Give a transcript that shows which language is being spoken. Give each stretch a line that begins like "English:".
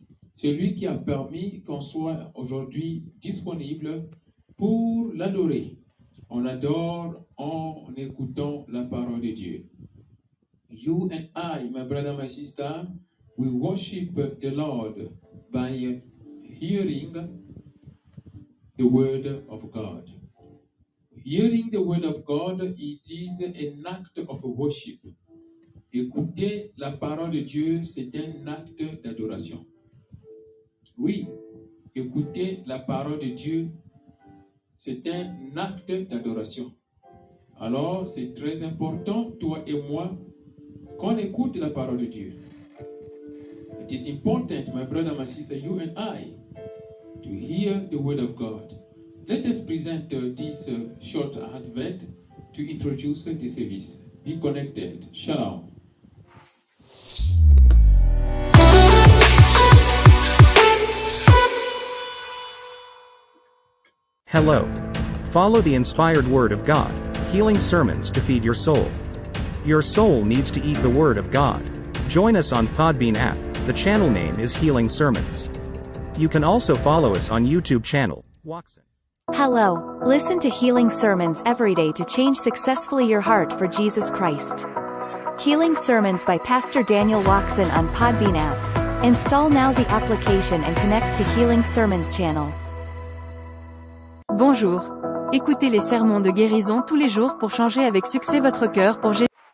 French: Celui qui a permis qu'on soit aujourd'hui disponible pour l'adorer. On adore en écoutant la parole de Dieu.
English: You and I, my brother, my sister, we worship the Lord by hearing the word of God. Hearing the word of God, it is an act of worship.
French: Écouter la parole de Dieu, c'est un acte d'adoration. Oui, écouter la parole de Dieu, c'est un acte d'adoration. Alors, c'est très important, toi et moi, qu'on écoute la parole de Dieu.
English: It is important, my brother, my sister, you and I, to hear the word of God. Let us present this short advert to introduce the service. Be connected. Shalom. Hello. Follow the inspired word of God, healing sermons to feed your soul. Your soul needs to eat the word of God. Join us on Podbean app. The channel name is Healing Sermons. You can also follow us on YouTube channel, Waxon. Hello. Listen to Healing Sermons every day to change successfully your heart for Jesus Christ. Healing Sermons by Pastor Daniel Waxon on Podbean app. Install now the application and connect to Healing Sermons channel.
French: Bonjour. Écoutez les sermons de guérison tous les jours pour changer avec succès votre cœur pour Jésus.